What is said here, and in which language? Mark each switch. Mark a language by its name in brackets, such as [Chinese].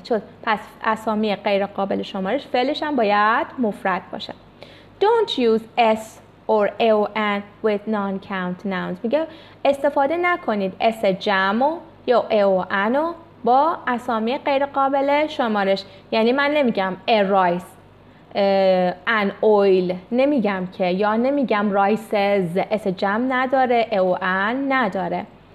[Persian] چون پس اسامی غیر قابل شمارش فعلش هم باید مفرد باشه. [English] Don't use s or aon with non-count nouns. [Persian] میگه استفاده نکنید s جمع و یا aon و با اسامی غیر قابل شمارش. یعنی من نمیگم [English] a rice an oil [Persian] نمیگم که، یا نمیگم [English] rices [Persian] s جمع نداره aon نداره.